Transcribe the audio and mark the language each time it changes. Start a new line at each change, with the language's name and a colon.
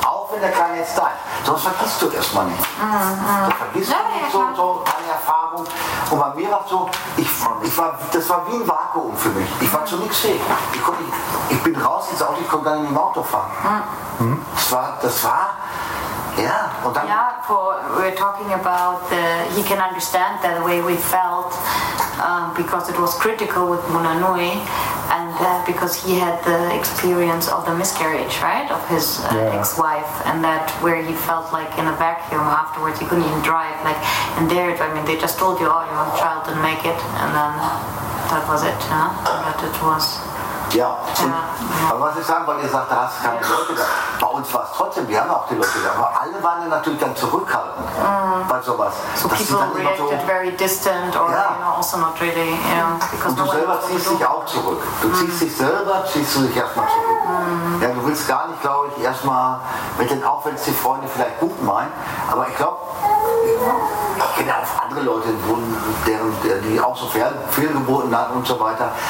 German: Auch wenn der Kleine jetzt da ist. Sowas vergisst du erstmal nicht. Mhm. Du vergisst ja, nicht so deine Erfahrung. Und bei mir war es so, das war wie ein Vakuum für mich. Ich war zu nichts fähig. Ich bin raus ins Auto, ich konnte gar nicht mit dem Auto fahren. Mhm. Das war.
English: Yeah, well, yeah, we're talking about he can understand the way we felt because it was critical with Munanui and because he had the experience of the miscarriage, right, of his ex-wife, and that where he felt like in a vacuum afterwards, he couldn't even drive, like, and there, I mean, they just told you, oh, your child didn't make it, and then that was it, huh? But it was...
German: Ja, aber was ich sagen wollte, ihr sagt, da hast du keine Leute da. Bei uns war es trotzdem, wir haben auch die Leute da, aber alle waren dann natürlich dann zurückhaltend bei sowas.
English: So das people dann reacted
German: immer so,
English: very distant or you know, also not really, you know. Because
German: und du selber ziehst dich auch zurück. Du ziehst dich selber, ziehst du dich erstmal zurück. Mm. Ja, du willst gar nicht, glaube ich, erstmal mit den, auch wenn es die Freunde vielleicht gut meinen, aber ich glaube, ich kenne auch andere Leute, die auch so Fehlgeburten hatten und so weiter.